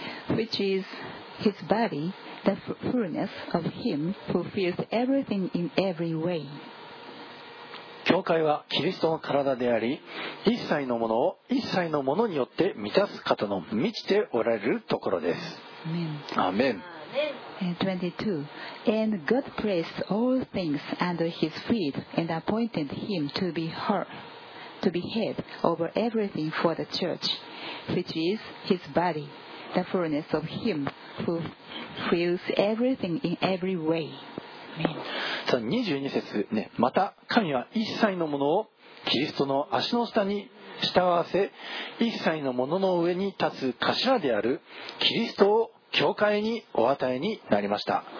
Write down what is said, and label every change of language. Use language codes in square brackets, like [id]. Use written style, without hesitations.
[en] Which is his body, the fullness of him who fills everything in every way. [ja] 教会はキリストの体であり、一切のものを一切のものによって満たす方の満ちておられるところです。アーメン。 [en] 22. And God placed all things under his feet and appointed him to be her. To be head over everything for the church, which is his body, the fullness of him who fills everything in every way. [ja] 22節、ね、また神は一切のものをキリストの足の下に従わせ、一切のものの上に立つ頭であるキリストを教会にお与えになりました。